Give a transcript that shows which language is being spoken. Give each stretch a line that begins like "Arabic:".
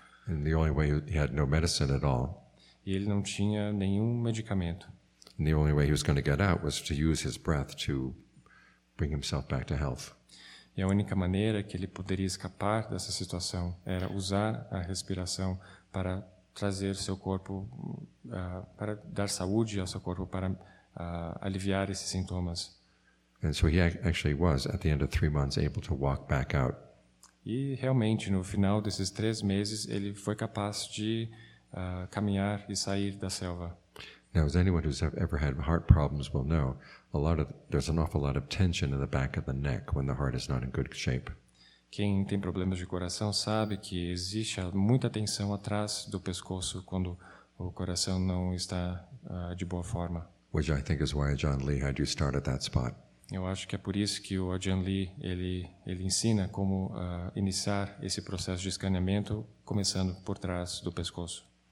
English: And the only way he had no medicine at all.
Portuguese: E ele não tinha nenhum medicamento.
English: And the only way he was going to get out was to use his breath to bring himself back to health.
Portuguese: E a única maneira que ele poderia escapar dessa situação era usar a respiração para trazer seu corpo, para dar saúde ao seu corpo, para aliviar esses sintomas.
English: And so he actually was, at the end of 3 months, able to walk back out.
Portuguese: E realmente, no final desses 3 meses, ele foi capaz de caminhar e sair da selva.
English: Now, as anyone who's ever had heart problems will know, there's an awful lot of tension in the back of the neck when the heart is not in good shape.
Portuguese: Quem tem problemas de coração sabe que existe muita tensão atrás do pescoço quando o coração não está de boa forma.
English: Which I think is why John Lee had you start at that spot.
Portuguese: Eu acho que é por isso que o John Lee ele ensina como iniciar esse processo de escaneamento começando por trás do pescoço.